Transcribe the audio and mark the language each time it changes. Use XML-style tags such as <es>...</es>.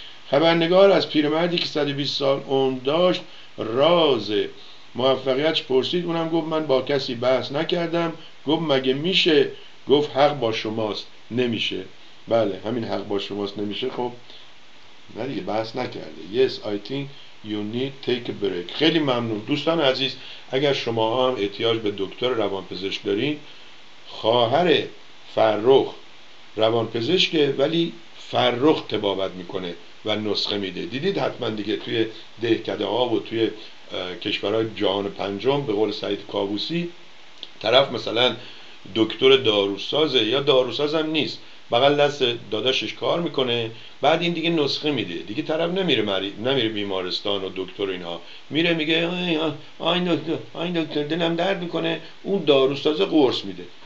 <fa>خبرنگار از پیرمردی که 120 سال عمر داشت راز موفقیتش پرسید، اونم گفت من با کسی بحث نکردم. گفت مگه میشه؟ گفت حق با شماست. نمیشه. بله همین حق با شماست نمیشه. خب نه دیگه بحث نکرده.</fa> <en>Yes I think you need take a break.</en> <fa>خیلی ممنون دوستان عزیز. اگر شما هم احتیاج به دکتر روانپزشک دارین، خواهر فرخ روانپزشکه ولی فرخ تبابت میکنه و نسخه میده. دیدید حتما دیگه توی دهکده ها و توی کشورهای جهان پنجم به قول سعید کابوسی طرف مثلا دکتر داروسازه یا داروساز هم نیست، بغل دست داداشش کار میکنه، بعد این دیگه نسخه میده، دیگه طرف نمیره مریض، نمیره بیمارستان و دکتر اینها، میره میگه آی دکتر دلم درد میکنه، اون داروساز قرص میده.</fa>